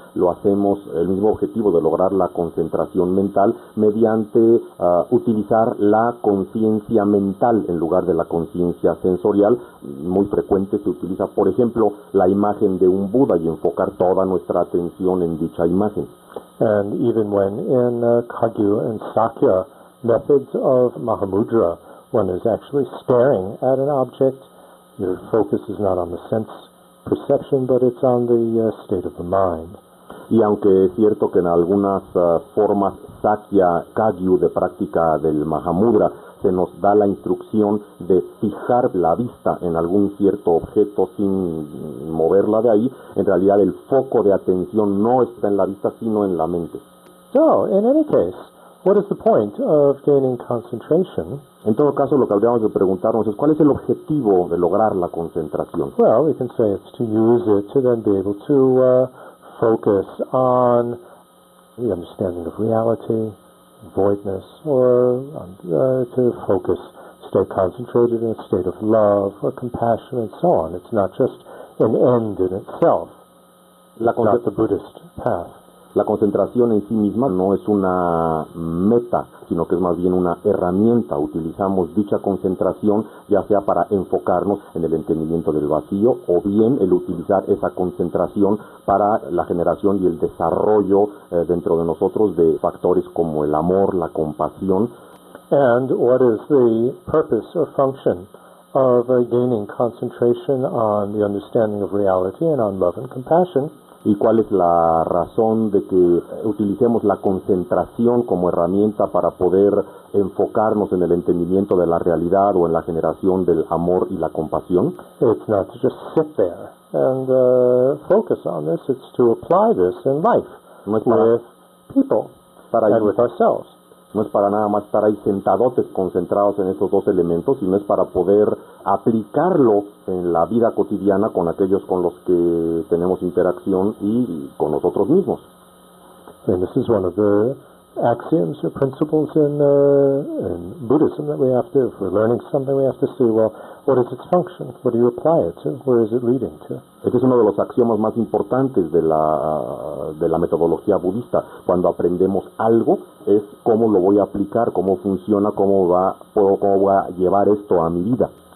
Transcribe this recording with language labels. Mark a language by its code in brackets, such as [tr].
[es] Lo hacemos, el mismo objetivo de lograr la concentración mental, mediante utilizar la conciencia mental en lugar de la conciencia sensorial. Muy frecuente se utiliza, por ejemplo, la imagen de un Buda y enfocar toda nuestra atención en dicha imagen. [en] And even when in Kagyu and Sakya methods of Mahamudra, one is actually staring at an object, your focus is not on the sense perception, but it's on the state of the mind. [es] Y aunque es cierto que en algunas formas Sakya Kagyu de práctica del Mahamudra se nos da la instrucción de fijar la vista en algún cierto objeto sin moverla de ahí, en realidad el foco de atención no está en la vista, sino en la mente. [en] So, in any case, what is the point of gaining concentration? [es] En todo caso, lo que habríamos de preguntarnos es ¿cuál es el objetivo de lograr la concentración? [en] Well, we can say it's to use it to then be able to focus on the understanding of reality, voidness, or to focus, stay concentrated in a state of love or compassion, and so on. It's not just an end in itself. Not the Buddhist path. [es] La concentración en sí misma no es una meta, sino que es más bien una herramienta. Utilizamos dicha concentración ya sea para enfocarnos en el entendimiento del vacío o bien el utilizar esa concentración para la generación y el desarrollo dentro de nosotros de factores como el amor, la compasión. [en] And what is the purpose or function of gaining concentration on the understanding of reality and on love and compassion? [es] ¿Y cuál es la razón de que utilicemos la concentración como herramienta para poder enfocarnos en el entendimiento de la realidad o en la generación del amor y la compasión? [en] It's not to just sit there and focus on this, it's to apply this in life with ourselves. [es] No es para nada más estar ahí sentadotes concentrados en esos dos elementos, sino es para poder aplicarlo en la vida cotidiana con aquellos con los que tenemos interacción y con nosotros mismos. [en] And this is one of the axioms or principles in Buddhism that we have to, if we're learning something, we have to see, well, what is its function? What do you apply it to? Where is it leading to? [es] Este es uno de los axiomas más importantes de la metodología budista. Cuando aprendemos algo, es cómo lo voy a aplicar, cómo funciona, cómo voy a llevar esto a mi vida.